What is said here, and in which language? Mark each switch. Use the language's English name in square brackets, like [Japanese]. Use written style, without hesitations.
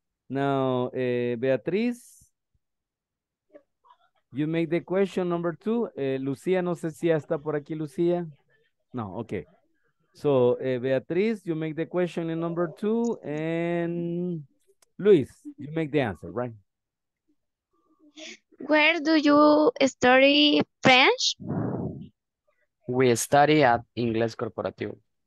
[English] Now, Beatriz, you make the question number two. [Spanish] Lucia, no sé si ya está por aquí, Lucia. [English] No, okay. So, Beatriz, you make the question in number two. And Luis, you make the answer, right? Where do you study French? We study at Ingles Corporativo.